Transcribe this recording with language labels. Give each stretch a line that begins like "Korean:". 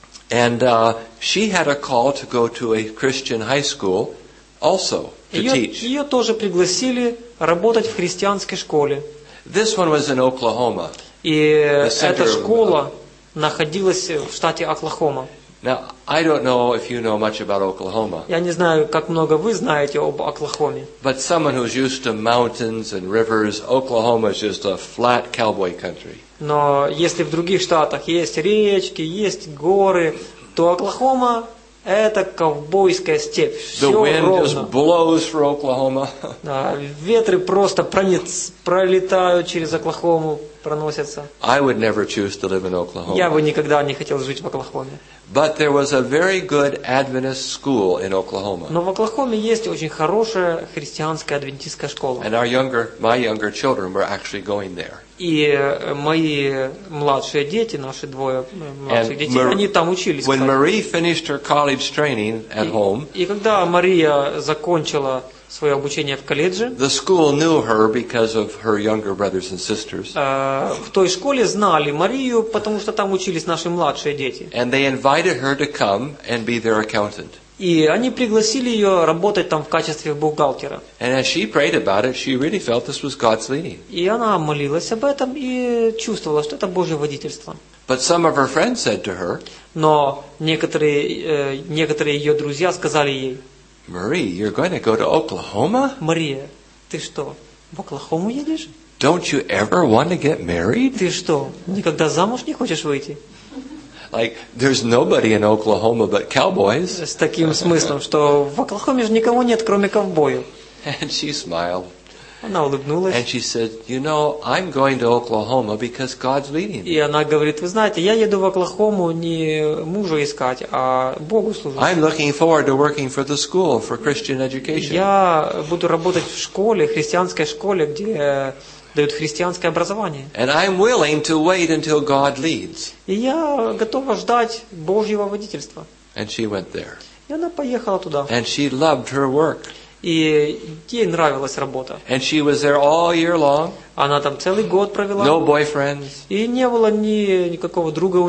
English: And she had a call to go to a Christian high school also.
Russian: Ее тоже пригласили работать в христианской школе.
English: This one was in Oklahoma.
Russian: И эта школа находилась в штате Оклахома.
English: Now, I don't know if you know much about Oklahoma.
Russian: Я не знаю, как много вы знаете об Оклахоме.
English: But someone who's used to mountains and rivers, Oklahoma is just a flat cowboy country.
Russian: Но если в других штатах есть речки, есть горы, то Оклахома это ковбойская степь. Всё
English: the wind
Russian: ровно.
English: Just blows through Oklahoma.
Russian: Да, ветры просто пролетают через Оклахому, проносятся.
English: I would never choose to live in Oklahoma.
Russian: Я бы никогда не хотел жить в Оклахоме.
English: But there was a very good Adventist school in Oklahoma.
Russian: Но в Оклахоме есть очень хорошая христианская адвентистская школа.
English: And my younger children were actually going there.
Russian: И мои младшие дети, наши двое младших детей, они там учились.
English: When Marie finished her college training at home,
Russian: и когда Мария закончила свое обучение в колледже,
English: the school knew her because of her younger brothers and sisters.
Russian: В той школе знали Марию, потому что там учились наши младшие дети.
English: And they invited her to come and be their accountant.
Russian: И они пригласили ее работать там в качестве бухгалтера.
English: And as she prayed about it, she really felt this was God's leading.
Russian: И она молилась об этом и чувствовала, что это Божье водительство.
English: But some of her friends said to her,
Russian: но некоторые ее друзья сказали ей,
English: Marie, you're going to go to Oklahoma?
Russian: Мария, ты что, в Оклахому едешь?
English: Don't you ever want to get married?
Russian: Ты что, никогда замуж не хочешь выйти?
English: Like there's nobody in Oklahoma but cowboys.
Russian: С таким смыслом, что в Оклахоме же никого нет, кроме ковбоев.
English: And she smiled.
Russian: Она улыбнулась.
English: And she said, "You know, I'm going to Oklahoma because God's leading me."
Russian: И она говорит: "Вы знаете, я еду в Оклахому не мужа искать, а Богу служить."
English: I'm looking forward to working for the school for Christian education.
Russian: Я буду работать в школе, христианской школе, где дают христианское образование.
English: And I'm willing to wait until God leads.
Russian: И я готова ждать Божьего водительства.
English: And she went there.
Russian: И она поехала туда.
English: And she loved her work.
Russian: И ей нравилась работа.
English: And she was there all year long.
Russian: Она там целый год провела.
English: No boyfriends.
Russian: И не было никакого друга у